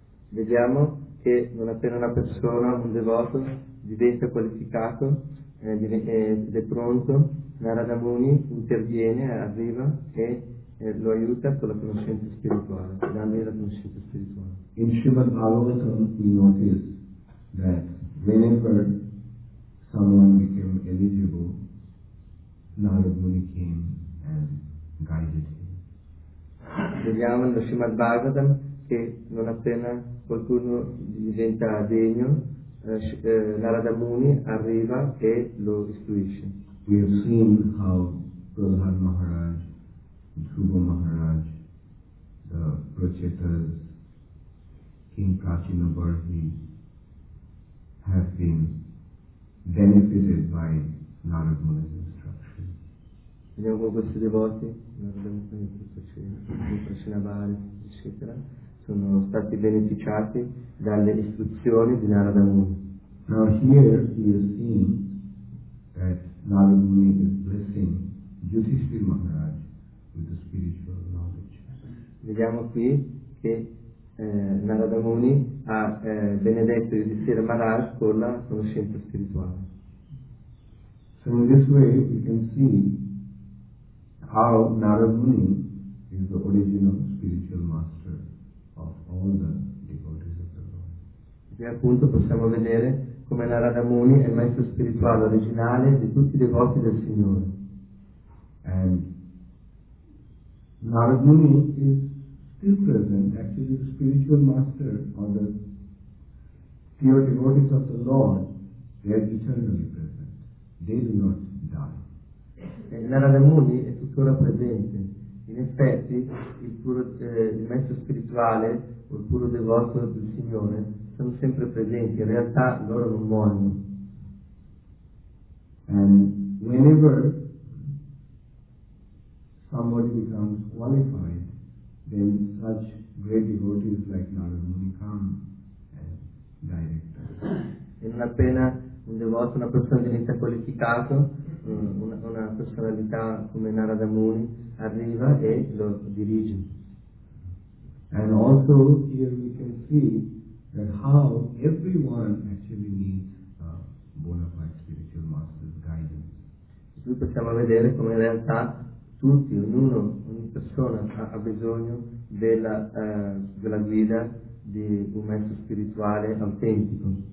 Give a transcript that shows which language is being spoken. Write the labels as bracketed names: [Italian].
[Italian] Vediamo che non appena una persona, un devoto, diventa qualificato ed è pronto, Narada Muni interviene, arriva e lo aiuta con la conoscenza spirituale, dandogli la conoscenza spirituale. [English] In Srimad Bhagavatam we notice that whenever someone became eligible, Narada Muni came and guided him. [Italian] Vediamo nello Srimad Bhagavatam che non appena qualcuno diventa degno, Narada Muni arriva e lo istruisce. [English] We have seen how Prahlad Maharaj, Dhruva Maharaj, the Prachetas, King Prachinabarhi have been benefited by Narada Muni's instruction. [Italian] Vediamo come questi devoti, Narada Muni, Prachinabarhi, eccetera, sono stati beneficiati dalle istruzioni di Narada Muni. [English] Now here he is seeing that Narada Muni is blessing Yudhishthir Maharaj with the spiritual knowledge. [Italian] vediamo qui che Narada Muni ha benedetto il Yudhishthira Maharaj con la conoscenza spirituale. [English] So in this way we can see how Narada Muni is the original spiritual master of all the devotees of the Lord. [Italian] E appunto possiamo vedere come Narada Muni è il maestro spirituale originale di tutti i devoti del Signore. [English] And Narada Muni is still present, actually the spiritual master or the pure devotees of the Lord, they are eternally present. They do not die. [Italian] E Narada Muni è tuttora presente. In effetti il puro il maestro spirituale o il puro devoto del Signore sono sempre presenti, in realtà loro non muoiono. [English] And whenever somebody becomes qualified, then such great devotees like Narada Muni come as directors. [Italian] E non appena un devoto, una persona diventa qualificato, una personalità come Narada Muni arriva e lo dirige. [English] And also here we can see that how everyone actually needs a bona fide spiritual master's guidance. [Italian] Qui possiamo vedere come in realtà tutti, ognuno, ogni persona ha bisogno della guida di un maestro spirituale autentico.